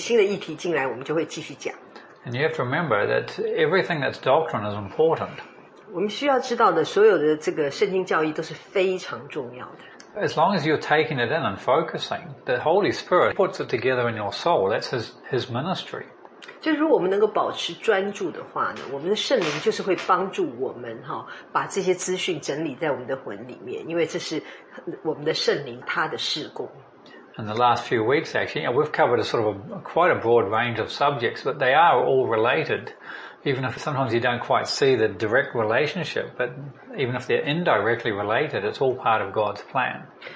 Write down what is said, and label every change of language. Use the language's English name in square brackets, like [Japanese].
[Chinese] 我们并没有说是很不耐烦的想要赶快把课程弄完，因为也许有一些新的议题进来，我们就会继续讲。 [English] And you have to remember that everything that's doctrine is important. [Chinese] 我们需要知道的所有的这个圣经教义都是非常重要的。 [English] As long as you're taking it in and focusing, the Holy Spirit puts it together in your soul. That's his ministry. [Chinese] 就如果我们能够保持专注的话呢，我们的圣灵就是会帮助我们把这些资讯整理在我们的魂里面，因为这是我们的圣灵他的事工。 [English] In the last few weeks, actually, yeah, we've covered a sort of quite a broad range of subjects, but they are all related. Even if sometimes you don't quite see the direct relationship, but even if they're indirectly related, it's all part of God's plan.